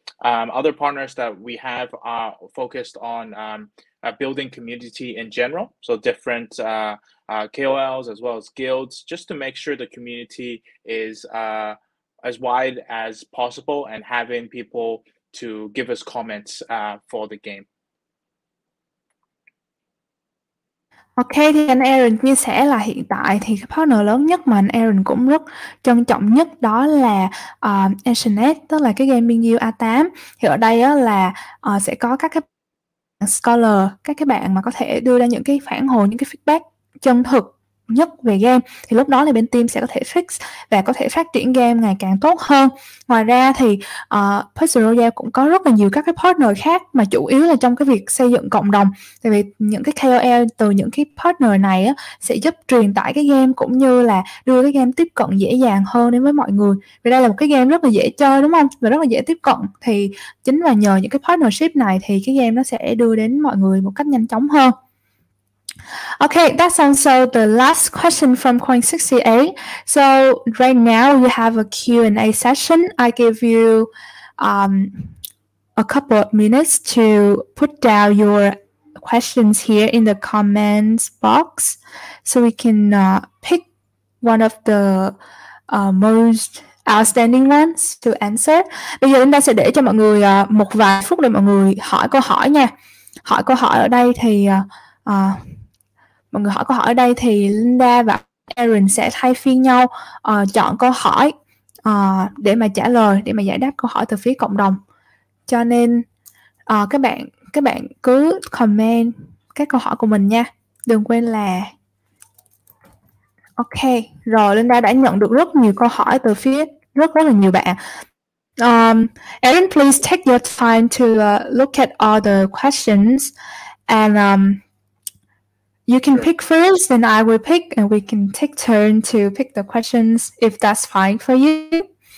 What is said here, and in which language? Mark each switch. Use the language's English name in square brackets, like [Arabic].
[English] Other partners that we have are focused on building community in general, so different KOLs as well as guilds, just to make sure the community is as wide as possible and having people to give us comments for the game. [Vietnamese] Ok, thì anh Aaron chia sẻ là hiện tại thì cái partner lớn nhất mà anh Aaron cũng rất trân trọng nhất đó là Ancient8, tức là cái gaming guild A8. Thì ở đây là sẽ có các cái scholar, các cái bạn mà có thể đưa ra những cái phản hồi, những cái feedback chân thực nhất về game. Thì lúc đó thì bên team sẽ có thể fix và có thể phát triển game ngày càng tốt hơn. Ngoài ra thì Puzzle Royale cũng có rất là nhiều các cái partner khác mà chủ yếu là trong cái việc xây dựng cộng đồng. Tại vì những cái KOL từ những cái partner này á, sẽ giúp truyền tải cái game cũng như là đưa cái game tiếp cận dễ dàng hơn đến với mọi người. Vì đây là một cái game rất là dễ chơi đúng không? Và rất là dễ tiếp cận. Thì chính là nhờ những cái partnership này thì cái game nó sẽ đưa đến mọi người một cách nhanh chóng hơn. [English] Okay, that's also the last question from Coin68. So right now you have a Q&A session. I give you a couple of minutes to put down your questions here in the comments box so we can pick one of the most outstanding ones to answer. [Vietnamese] Bây giờ chúng ta sẽ để cho mọi người một vài phút để mọi người hỏi câu hỏi nha. Hỏi câu hỏi ở đây thì mọi người hỏi câu hỏi ở đây thì Linda và Aaron sẽ thay phiên nhau chọn câu hỏi để mà trả lời, để mà giải đáp câu hỏi từ phía cộng đồng. Cho nên các bạn cứ comment các câu hỏi của mình nha. Đừng quên là... Ok, rồi Linda đã nhận được rất nhiều câu hỏi từ phía rất là nhiều bạn. [English] Aaron, please take your time to look at all the questions and... you can pick first, then I will pick, and we can take turn to pick the questions if that's fine for you.